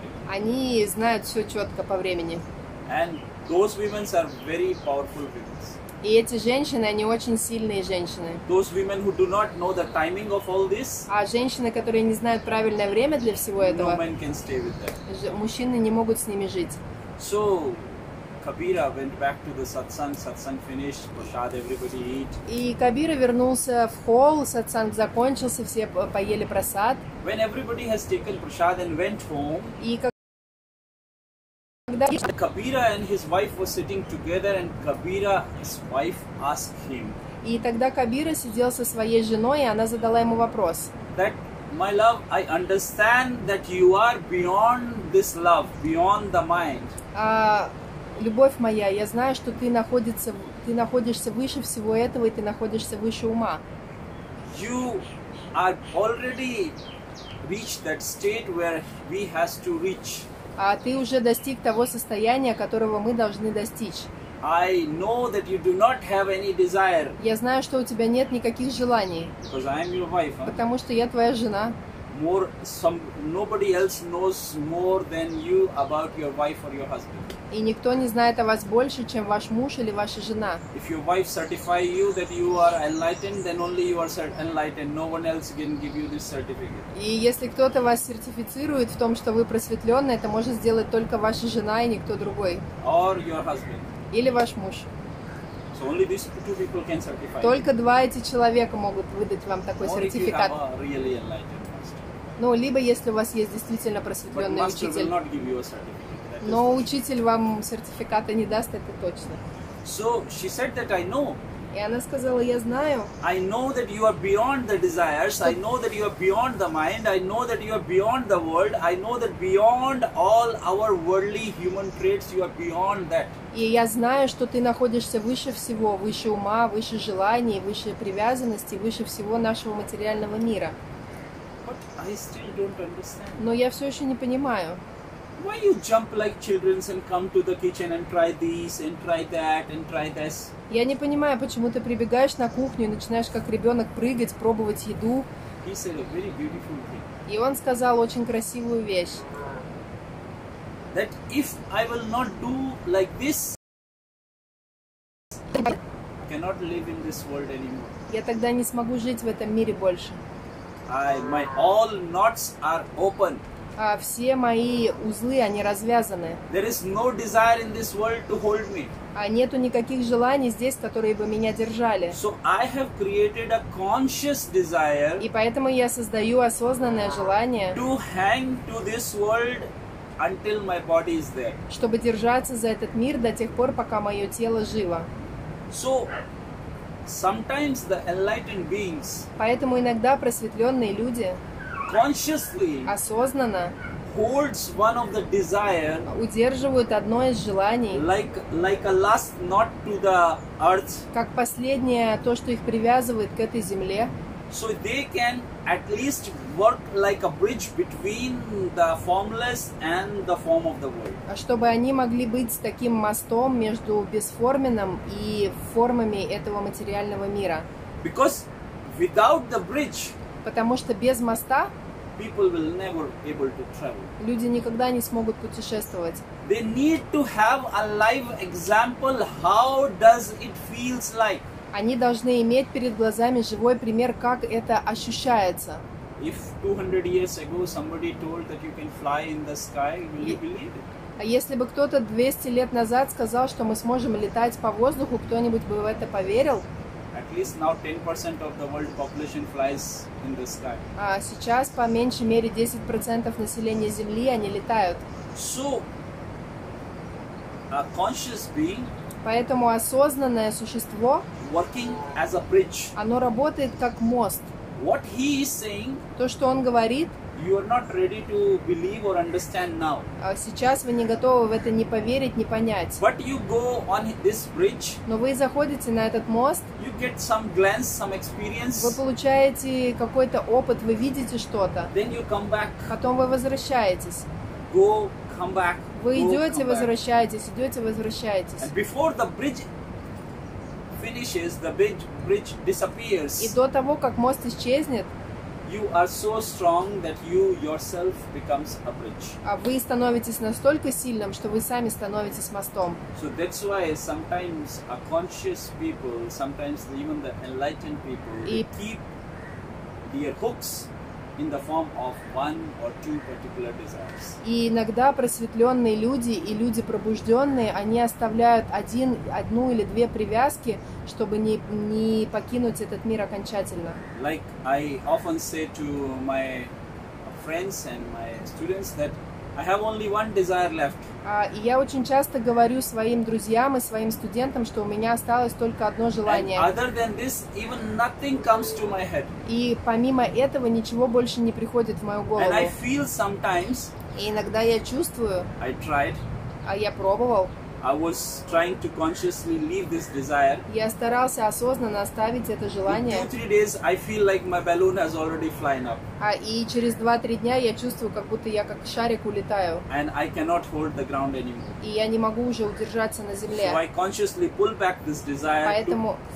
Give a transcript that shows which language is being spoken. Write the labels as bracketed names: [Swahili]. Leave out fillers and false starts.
[Russian] Они знают все четко по времени. [English] And those women are very powerful women. [Russian] И эти женщины, они очень сильные женщины. [English] Those women who do not know the timing of all this. [Russian] А женщины, которые не знают правильное время для всего этого. [English] No man can stay with them. [Russian] Мужчины не могут с ними жить. [English] So Kabira went back to the satsang. Satsang finished. Prasad, everybody eat. [Russian] И Кабира вернулся в холл. Сатсанг закончился. Все поели прасад. [English] When everybody has taken prasad and went home. [Russian] И когда [English] Kabira and his wife were sitting together, and Kabira, his wife, asked him. [Russian] И тогда Кабира сидел со своей женой, и она задала ему вопрос. [English] That, my love, I understand that you are beyond this love, beyond the mind. [Russian] Любовь моя, я знаю, что ты находишься выше всего этого, и ты находишься выше ума. [English] You are already reached that state where we has to reach. [Russian] А ты уже достиг того состояния, которого мы должны достичь. [English] I know that you do not have any desire. [Russian] Я знаю, что у тебя нет никаких желаний. [English] Because I am your wife. [Russian] Потому что я твоя жена. [English] More some nobody else knows more than you about your wife or your husband. [Russian] И никто не знает о вас больше, чем ваш муж или ваша жена. [English] If your wife certify you that you are enlightened, then only you are enlightened. No one else can give you this certificate. [Russian] И если кто-то вас сертифицирует в том, что вы просветленный, это может сделать только ваша жена и никто другой. [English] Or your husband. [Russian] Или ваш муж. [English] So only these two people can certify. [Russian] Только два эти человека могут выдать вам такой [English] or [Russian] сертификат. [English] If you have a really enlightened. [Russian] Ну, либо если у вас есть действительно просветленный учитель. [English] Not give you a certificate. [Russian] Но учитель вам сертификата не даст, это точно. [English] So she said that I know. [Russian] И она сказала, я знаю. [English] I know that you are beyond the desires. I know that you are beyond the mind. I know that you are beyond the world. I know that beyond all our worldly human traits, you are beyond that. [Russian] И я знаю, что ты находишься выше всего, выше ума, выше желаний, выше привязанности, выше всего нашего материального мира. [English] But I still don't understand. [Russian] Но я все еще не понимаю. [English] Why you jump like children and come to the kitchen and try this and try that and try this? [Russian] Я не понимаю, почему ты прибегаешь на кухню и начинаешь как ребенок прыгать, пробовать еду. [English] He said a very beautiful thing. [Russian] И он сказал очень красивую вещь. [English] That if I will not do like this, I cannot live in this world anymore. [Russian] Я тогда не смогу жить в этом мире больше. [English] My all knots are open. [Russian] Все мои узлы, они развязаны. [English] There is no desire in this world to hold me. [Russian] Нету никаких желаний здесь, которые бы меня держали. [English] So I have created a conscious desire. [Russian] И поэтому я создаю осознанное желание. [English] To hang to this world until my body is there. [Russian] Чтобы держаться за этот мир до тех пор, пока мое тело живо. [English] So sometimes the enlightened beings. [Russian] Поэтому иногда просветленные люди. [English] Consciously [Russian] осознанно [English] holds one of the desire, [Russian] удерживают одно из желаний [English] like a last knot to the earth, [Russian] как последнее то, что их привязывает к этой земле, [English] so they can at least work like a bridge between the formless and the form of the world. [Russian] Чтобы они могли быть таким мостом между бесформенным и формами этого материального мира. [English] Because without the bridge, [Russian] потому что без моста [English] people will never able to travel. [Russian] Люди никогда не смогут путешествовать. [English] They need to have a live example how does it feels like. [Russian] Они должны иметь перед глазами живой пример, как это ощущается. [English] If 200 years ago somebody told that you can fly in the sky, will you believe it? [Russian] А если бы кто-то 200 лет назад сказал, что мы сможем летать по воздуху, кто-нибудь бы в это поверил? [English] At least now 10% of the world population flies in the sky. [Russian] А сейчас по меньшей мере 10% населения Земли они летают. [English] So, a conscious being. [Russian] Поэтому осознанное существо. [English] Working as a bridge. [Russian] Оно работает как мост. [English] What he is saying. [Russian] То, что он говорит. [English] You are not ready to believe or understand now. [Russian] А сейчас вы не готовы в это ни поверить, ни понять. [English] But you go on this bridge. [Russian] Но вы заходите на этот мост. [English] You get some glance, some experience. [Russian] Вы получаете какой-то опыт, вы видите что-то. [English] Then you come back. [Russian] Потом вы возвращаетесь. [English] Go, come back. [Russian] Вы идете, возвращаетесь, идете, возвращаетесь. [English] And before the bridge finishes, the bridge disappears. [Russian] И до того, как мост исчезнет. [English] You are so strong that you yourself becomes a bridge. [Russian] А вы становитесь настолько сильным, что вы сами становитесь мостом. [English] So that's why sometimes a conscious people, sometimes even the enlightened people, they keep their hooks in the form of one or two particular desires. [Russian] И иногда просветленные люди и люди пробужденные, они оставляют одну или две привязки, чтобы не покинуть этот мир окончательно. [English] Like I often say to my friends and my students that I have only one desire left. [Russian] И я очень часто говорю своим друзьям и своим студентам, что у меня осталось только одно желание. [English] And other than this, even nothing comes to my head. [Russian] И помимо этого ничего больше не приходит в мою голову. [English] And I feel sometimes. [Russian] И иногда я чувствую. [English] I tried. [Russian] А я пробовал. [English] I was trying to consciously leave this desire. [Russian] Я старался осознанно оставить это желание. [English] In 2-3 days, I feel like my balloon has already flying up. [Russian] А и через 2-3 дня я чувствую, как будто я как шарик улетаю. [English] And I cannot hold the ground anymore. [Russian] И я не могу уже удержаться на земле. [English] So I consciously pull back this desire. [Russian] Поэтому